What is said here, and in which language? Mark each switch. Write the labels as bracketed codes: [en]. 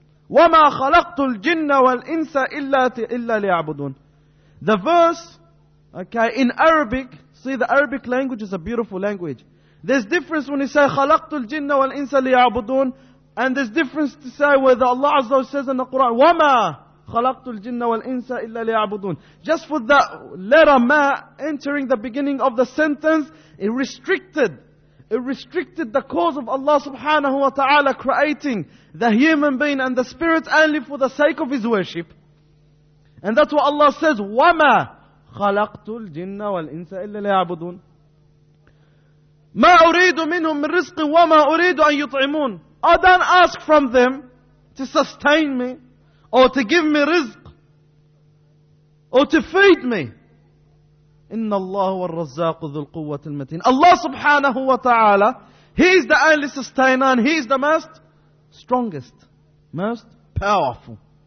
[ar] وَمَا خَلَقْتُ الْجِنَّ وَالْإِنْسَ إِلَّا لِيَعْبُدُونَ. [en] The verse, okay, in Arabic, see, the Arabic language is a beautiful language. There's difference when you say [ar] خَلَقْتُ الْجِنَّ وَالْإِنْسَ لِيَعْبُدُونَ, [en] and there's difference to say whether Allah Azza wa Jalla says in the Quran, wama, [ar] خلقت الجن والإنس إلا ليعبدون. [en] Just for the letter ما entering the beginning of the sentence, it restricted the cause of Allah subhanahu wa ta'ala creating the human being and the spirits only for the sake of his worship. And that's what Allah says, [ar] وَمَا خَلَقْتُ الْجِنَّ وَالْإِنسَ إِلَّا لَيَعْبُدُونَ مَا أُرِيدُ مِنْهُمْ مِنْ رِزْقٍ وَمَا أُرِيدُ أَنْ يُطْعِمُونَ. [en] I don't ask from them to sustain me or to give me rizq or to feed me. [ar] إِنَّ اللَّهُ وَالرَّزَّاقُ ذُو الْقُوَّةِ الْمَتِينَ. [en] Allah subhanahu wa ta'ala, He is the only sustainer and He is the most strongest, most powerful.